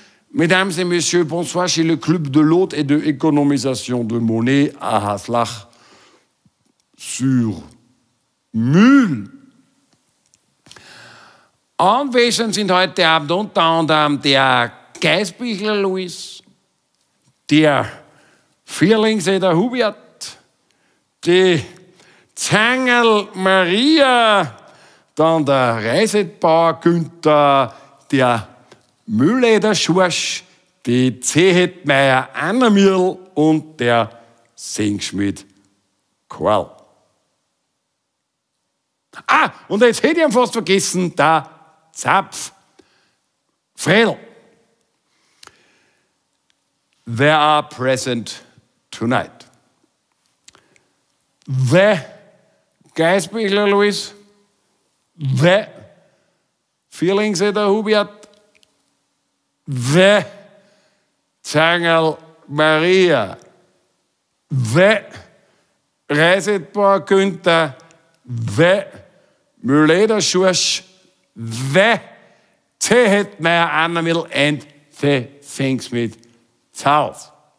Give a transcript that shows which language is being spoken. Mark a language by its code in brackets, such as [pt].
[fr] Mesdames et Messieurs, bonsoir chez le Club de l'Hôte et de l'Économisation de Monnaie à Haslach sur Mühl. [de] Anwesend sind heute Abend unter anderem der Geisbichler Luis, der Vierlingseder Hubert, die Zangel Maria, dann der Reisetbauer Günther, der Mühleder Schorsch, die Zehetmeier Annemirl und der Singschmied Karl. Ah, und jetzt hätte ich ihn fast vergessen, der Zapf Fredl. [en] They are present tonight. The Geisbichler Luis, the Vierlingseder Hubert, the Zangerl Maria, the Reisetbauer Günther, the Mühleder Schorsch, the Zehetmeier Annemirl and the Singschmied Zauf.